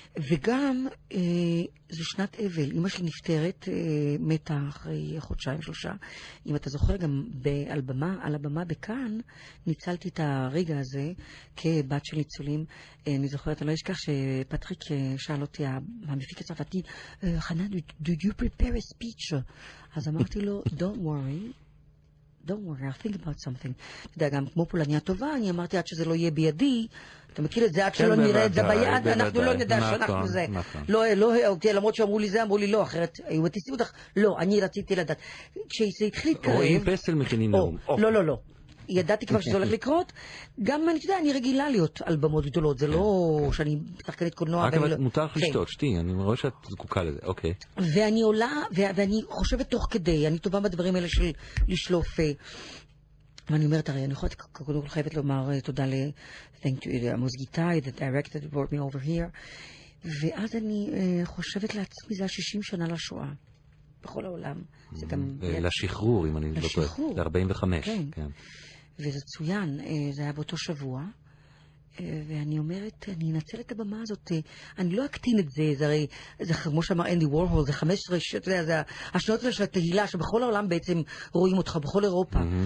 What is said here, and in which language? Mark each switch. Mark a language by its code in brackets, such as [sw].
[he] וגם, זה שנת אבל, אמא שלי נפטרת, מתה אחרי חודשיים, שלושה. אם אתה זוכר, גם על הבמה בכאן, ניצלתי את הרגע הזה כבת של ניצולים. אני זוכרת, אני לא אשכח שפטריק שאל אותי, המפיק הצרפתי, חנן, [en] do you prepare a speech? [he] אז אמרתי לו, [en] don't worry, I'll think about something. [he] אתה יודע, גם כמו פולניה טובה, אני אמרתי, עד שזה לא יהיה בידי, אתה מכיר את זה, עד שלא נראה את זה ביד, אנחנו לא נדע שאנחנו זה. למרות שאמרו לי זה, אמרו לי לא, אחרת היו מטיסים אותך, לא, אני רציתי לדעת. כשזה התחיל להתקרב... רואים פסל מכינים נאום. לא, לא, לא. ידעתי כבר שזה הולך לקרות. גם אני, אתה יודע, אני רגילה להיות על במות גדולות, זה לא שאני שחקנית קולנוע. רק מותר לך לשתות, שתי, אני רואה שאת זקוקה לזה, אוקיי. ואני עולה, ואני חושבת תוך כדי, אני טובה בדברים האלה של לשלוף. ואני אומרת, הרי אני יכולה, קודם כל חייבת לומר תודה ל... [en] thank you, עמוס גיטאי, the director that brought me over here. [he] ואז אני חושבת לעצמי, זה 60 שנה לשואה, בכל העולם. לשחרור, אם אני לא טועה. ל-45. וזה צוין, זה היה באותו שבוע. ואני אומרת, אני אנצל את הבמה הזאת, אני לא אקטין את זה, זה הרי, זה כמו שאמר אנדי וורהול, זה 15, אתה יודע, זה השנות האלה של התהילה, שבכל העולם בעצם רואים אותך, בכל אירופה.